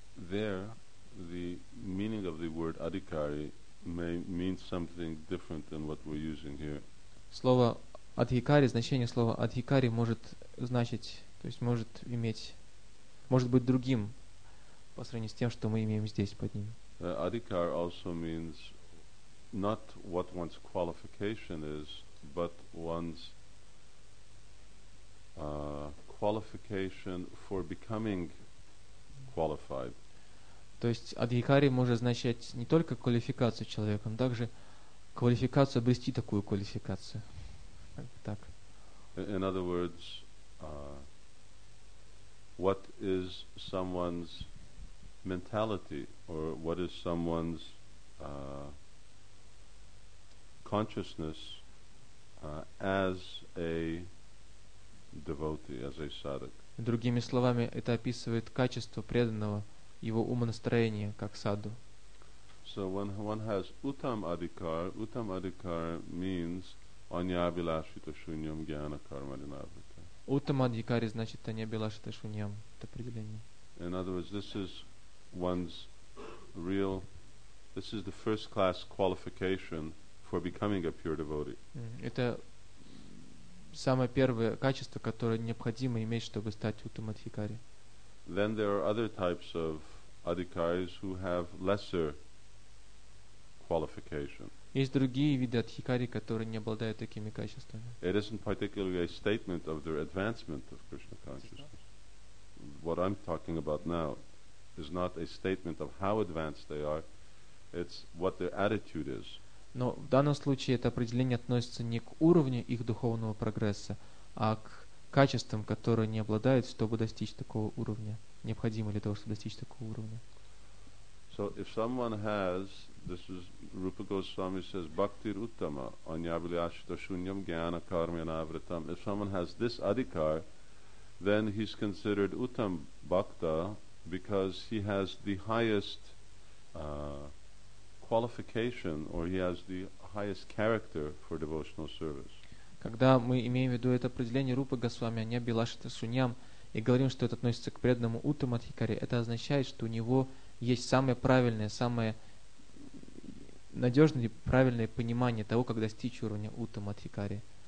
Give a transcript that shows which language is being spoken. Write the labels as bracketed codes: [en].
[en] There, the meaning of the word adhikari may mean something different than what we're using here. [ru] Слово адхикари, значение слова адхикари может значить, то есть может иметь, может быть другим по сравнению с тем, что мы имеем здесь под ним. [en] Adhikar also means not what one's qualification is, but one's qualification for becoming qualified. [ru] То есть адхикари может означать не только квалификацию человека, но также квалификацию обрести такую квалификацию. Так. [en] In other words, what is someone's mentality or what is someone's consciousness as a devotee, as a sadhak. [ru] Другими словами, это описывает качество преданного, его умонастроение как саду. [en] So when one has uttam adhikar means [sa] anyabilashita shunyam gyana karma dinavrita. [ru] Uttam adhikari значит anyabilashita shunyam. Это определение. [en] In other words, this is one's real, this is the first class qualification for becoming a pure devotee. [ru] Это самое первое качество, которое необходимо иметь, чтобы стать уттам адхикари. [en] Then there are other types of adhikaris who have lesser qualification. [ru] Есть другие виды адхикари, которые не обладают такими качествами. [en] It isn't particularly a statement of their advancement of Krishna consciousness. What I'm talking about now is not a statement of how advanced they are, it's what their attitude is. [ru] Но в данном случае это определение относится не к уровню их духовного прогресса, а к качествам, которые не обладают, чтобы достичь такого уровня. Необходимо для того, чтобы достичь такого уровня. [en] So if someone has, this is Rupa Goswami says, [sa] Bhaktir Uttama, Anyabhilashita Shunyam Gyana Karmyana Avritam. [en] If someone has this adhikar, then he's considered Uttam Bhakta because he has the highest qualification or he has the highest character for devotional service. [ru] Когда мы имеем в виду это определение Рупа Госвами, Анябилашита Суньям, и говорим, что это относится к преданному Уттама Адхикари, это означает, что у него есть самое правильное, самое надежное и правильное понимание того, как достичь уровня Уттама Адхикари.